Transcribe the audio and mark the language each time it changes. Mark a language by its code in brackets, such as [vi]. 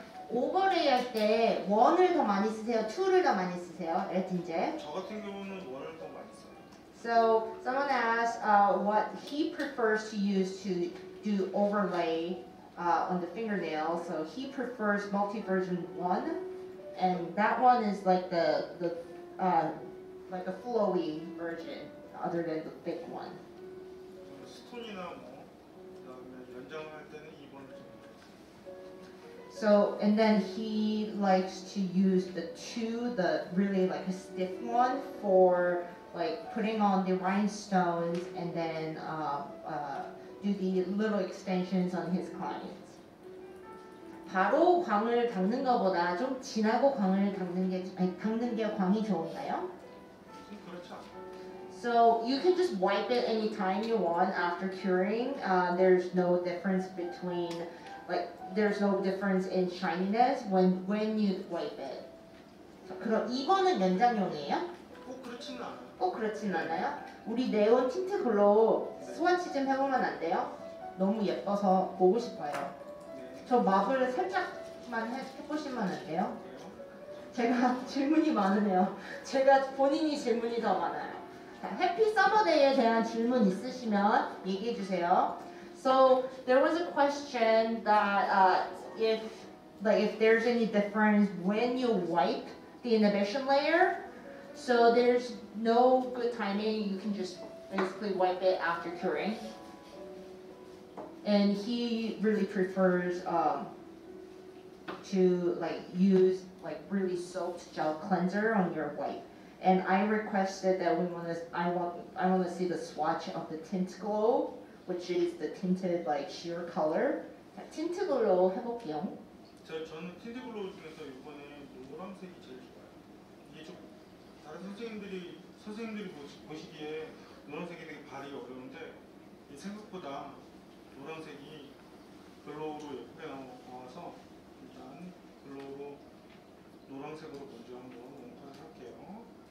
[ko] 오버레이 할 때 원을 더 많이 쓰세요? 투를 더 많이 쓰세요? 레틴젤? 저 같은 경우는 원을 더 많이 써요. [en] So So someone asked what he prefers to use to do overlay on the fingernail. So he prefers multi-version one, and that one is like the flowy version other than the thick one. [ko] 스톤이나 연장할 때는 이번 [en] So and then he likes to use the really like a stiff one for like putting on the rhinestones and then do the little extensions on his clients. [ko] 바로 광을 닦는 것보다 좀 진하고 광을 닦는 게 광이 좋은가요? [en] So you can just wipe it anytime you want after curing. There's no difference between like there's no difference in shininess when you wipe it. [ko] 그럼 이거는 연장용이에요? 꼭 그렇진 않아요. 우리 네온 틴트 글로우 스와치 좀 해보면 안 돼요? 너무 예뻐서 보고 싶어요. 저 마블 살짝만 해보시면 안 돼요? 제가 질문이 많으네요. 제가 본인이 질문이 더 많아요. 자, 해피 서머데이에 대한 질문 있으시면 얘기해 주세요. [en] So there was a question that if there's any difference when you wipe the inhibition layer. So there's no good timing. You can just basically wipe it after curing. And he really prefers to use really soaked gel cleanser on your wipe. And I requested that I want to see the swatch of the tint glow, which is the tinted like sheer color. [ko] 자, 틴트 글로 해볼게요. 저는 틴트 글로 중에서 이번에 노란색이 제일 좋아요. 이게 좀 다른 선생님들이 보시기에 노란색이 되게 발이 어려운데 생각보다 노란색이 글로우로 예쁘게 나온 것 같아서 일단 글로우로 노란색으로 먼저 한번 연구를 할게요.